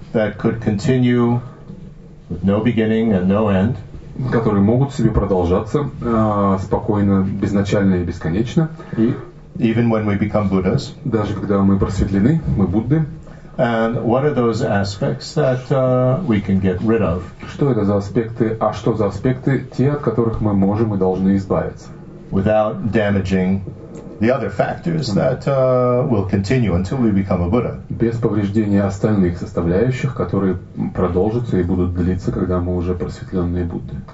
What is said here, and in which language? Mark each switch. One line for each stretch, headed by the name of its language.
English: That could continue with no beginning and no end.
Russian: Которые могут себе продолжаться спокойно, безначально и бесконечно. И
English: even when we become Buddhas.
Russian: Даже когда мы просветлены, мы Будды.
English: And what are those aspects that we can get rid of?
Russian: Что это за аспекты, а что за аспекты те, от которых мы можем и должны избавиться?
English: Without damaging the other factors that will continue until we become a Buddha.
Russian: Без повреждения остальных составляющих, которые продолжатся и будут длиться, когда мы уже просветленные Будды.